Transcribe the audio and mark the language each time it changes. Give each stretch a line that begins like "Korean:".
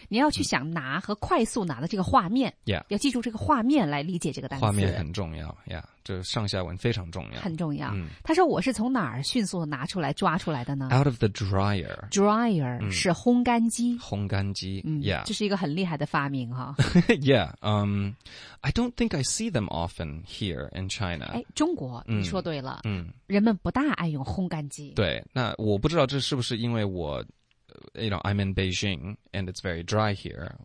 Chinese: 你要去想拿和快速拿的这个画面。
English: Yeah，
Chinese: 要记住这个画面来理解这个单词。画面很重要。重要呀，这上下文非常重要，很重要。他说我是从哪儿迅速拿出来抓出来的呢
English: ？Out of the dryer，
Chinese: dryer 是烘干机，烘干机。Yeah，这是一个很厉害的发明哈。
English: yeah， I don't think I see them often here in China。
Chinese: 哎，中国，你说对了。嗯，人们不大爱用烘干机。对，那我不知道这是不是因为我
English: you know, I'm in Beijing and it's very dry here.